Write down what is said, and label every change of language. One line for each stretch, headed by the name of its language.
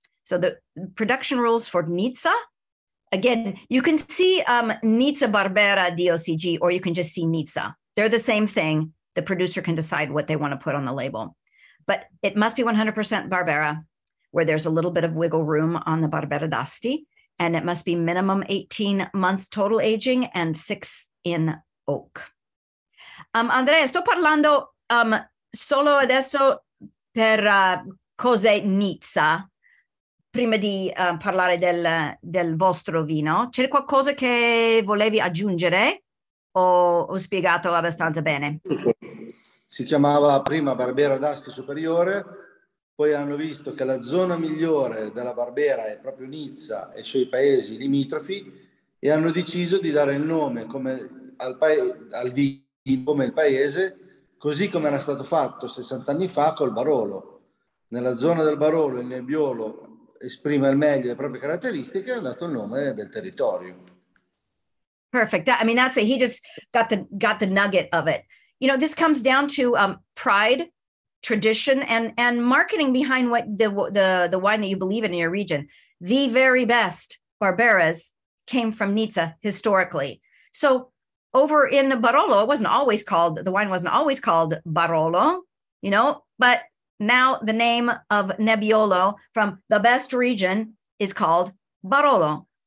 English: So the production rules for Nizza. Again, you can see Nizza Barbera DOCG, or you can just see Nizza. They're the same thing. The producer can decide what they want to put on the label. But it must be 100% Barbera, where there's a little bit of wiggle room on the Barbera d'Asti. And it must be minimum 18 months total aging and 6 in oak.
Italian: Andrea, sto parlando solo adesso per cose Nizza. Prima di parlare del vostro vino, c'è qualcosa che volevi aggiungere o ho spiegato abbastanza bene? Si chiamava prima Barbera d'Asti Superiore, poi hanno visto che la zona migliore della Barbera è proprio Nizza e i suoi paesi limitrofi e hanno deciso di dare il nome come al vino, come il paese, così come era stato fatto 60 anni fa col Barolo. Nella zona del Barolo, il Nebbiolo esprime al meglio le proprie caratteristiche, ha dato il nome del territorio.
English: Perfect. That, I mean, that's it. He just got the nugget of it. You know, this comes down to pride, tradition, and marketing behind what the wine that you believe in your region. The very best Barberas came from Nizza historically. So over in Barolo, it wasn't always called, the wine wasn't always called Barolo, you know, but now the name of Nebbiolo from the best region is called Barolo.